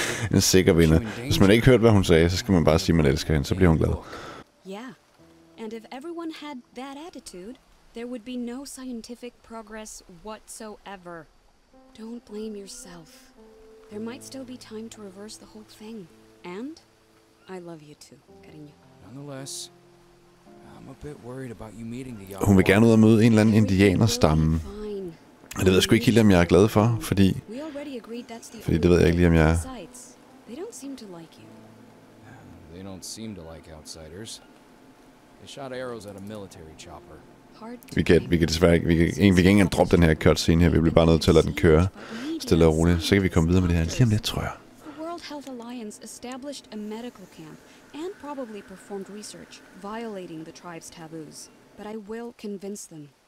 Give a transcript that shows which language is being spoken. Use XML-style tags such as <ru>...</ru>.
<da>En sikker vinder. Hvis man ikke hørte, hvad hun sagde, så skal man bare sige, man elsker hende. Så bliver hun glad. Ja.</da> <en>And if everyone had that attitude, there would be no scientific progress whatsoever. Don't blame yourself. There might still be time to reverse the whole thing. And I love you too, Cariño. Nonetheless, I'm a bit worried about you meeting the</en> <da>Yawa. Hun vil gerne ud og møde en eller anden indianerstamme. Og det ved jeg sgu ikke helt, om jeg er glad for, fordi... Fordi det ved jeg ikke lige, om jeg</da> <en>They don't seem to like you. They don't seem to like outsiders. They shot arrows at a military chopper.</en> <da>Vi kan ikke droppe den her cutscene her. Vi bliver bare nødt til at lade den køre stille og roligt. Så kan vi komme videre med det her lige om lidt, tror jeg.</da> <en>Health Alliance established a medical camp and probably performed research violating the tribe's taboos, but I will convince them.</en>